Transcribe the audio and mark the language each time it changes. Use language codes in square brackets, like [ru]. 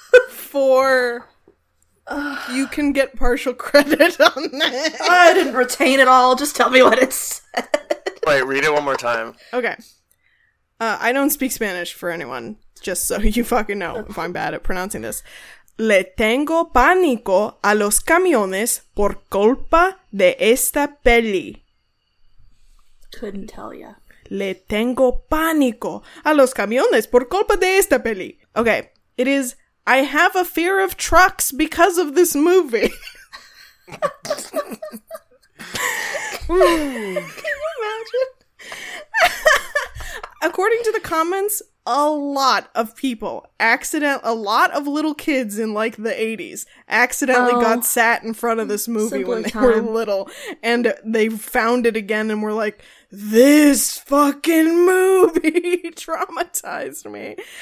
[en] For... You can get partial credit on that. I didn't retain it all. Just tell me what it said. Wait, read it one more time. Okay. I don't speak Spanish for anyone, just so you fucking know if I'm bad at pronouncing this. [es] Le tengo pánico a los camiones por culpa de esta peli. [en] Couldn't tell ya. [es] Le tengo pánico a los camiones por culpa de esta peli. [en] Okay, it is, I have a fear of trucks because of this movie. Can you imagine? According to the comments, a lot of people, a lot of little kids in like the 80s accidentally got sat in front of this movie when they were little, and they found it again and were like, this fucking movie traumatized me.